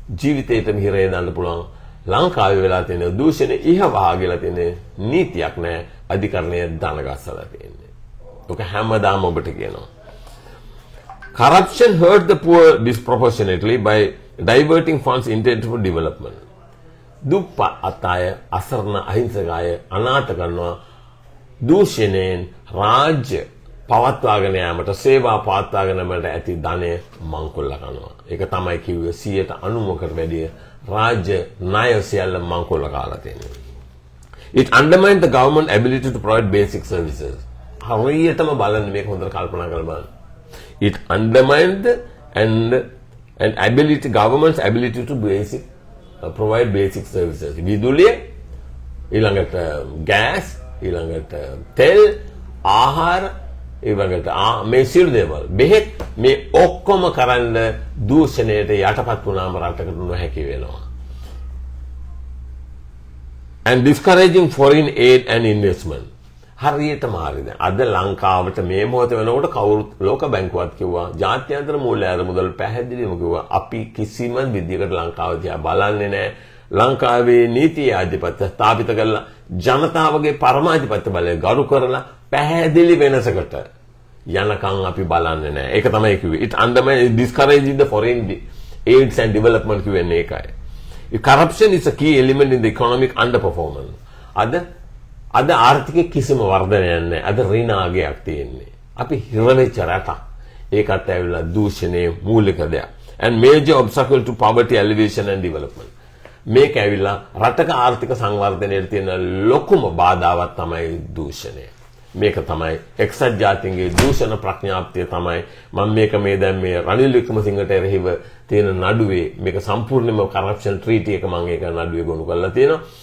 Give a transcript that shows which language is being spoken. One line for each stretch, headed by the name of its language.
Sinhala: ජීවිතේටම හිර යන්න පුළුවන් ලංකාවේ වෙලා තියෙන දූෂණ ඉහ වහගලා තියෙන නීතියක් නැහැ අධිකරණයේ දනගස්සලා තියෙන්නේ. ඔක හැමදාම ඔබට කියනවා.
English: Corruption hurt the poor disproportionately by diverting funds intended for development.
Sinhala: දුප්පත් අය අසරණ අහිංසක අය අනාථ කරනවා දූෂණයෙන් රාජ්‍ය පවත්වාගෙන යාමට සේවා පවත්වාගෙන යාමට ඇති ධනය මංකොල්ල කරනවා. ඒක තමයි කිව්වේ 90%කට වැඩි රාජ්‍ය ණය සියල්ල මංකොල්ල කාලා තියෙනවා.
English: It undermined the government ability to provide basic services.
Sinhala: හරියටම බලන්න මේක හොඳට කල්පනා කරලා බලන්න.
English: It undermined and ability government's ability to basic provide basic services.
Sinhala: විදුලිය ඊළඟට ගෑස් ඊළඟට තෙල් ආහාර ඉවගට මේ සියලු දේවල් බෙහෙත් මේ ඔක්කොම කරන්න දූෂණයට යටපත් වුණාම රටකට නොහැකි හැකි වෙනවා.
English: And discouraging foreign aid and investment.
Sinhala: හරියටම හරිද? අද ලංකාවට මේ මොහොත වෙනකොට කවුරුත් ලෝක බැංකුවත් කිව්වා ජාත්‍යන්තර මූල්‍ය ආධාර මුදල් පැහැදිලිවම කිව්වා අපි කිසිම විදිහකට ලංකාව දිහා බලන්නේ නැහැ. ලංකාවේ නීති ආධිපත්‍ය ස්ථාපිත කරලා ජනතාවගේ පරමාධිපත්‍ය බලය ගරු කරලා පැහැදිලි වෙනසකට යනකම් අපි බලන්නේ නැහැ. ඒක තමයි කිව්වේ.
English: It undermines discouraging the foreign aids and development
Sinhala: කියන්නේ ඒකයි.
English: Corruption is a key element in the economic underperformance.
Sinhala: අද ආර්ථික කිසිම වර්ධනයක් නැහැ. අද ඍණාගයක් තියෙන්නේ. අපි හිරවෙච්ච රටක්. ඒකත් ඇවිල්ලා දූෂණයේ මූලික දෙයක්.
English: And major obstacle to poverty alleviation and development.
Sinhala: මේක ඇවිල්ලා රටක ආර්ථික සංවර්ධනයට තියෙන ලොකුම බාධාවක් තමයි දූෂණය. මේක තමයි එක්සත් ජාතීන්ගේ දූෂණ ප්‍රඥාප්තිය තමයි මම මේක මේ දැන් මේ රනිල් වික්‍රමසිංහට එරෙහිව තියෙන නඩුවේ මේක සම්පූර්ණයෙන්ම කරප්ෂන් ට්‍රීටි එක මම ඒක නඩුවේ ගොනු කරලා තියෙනවා.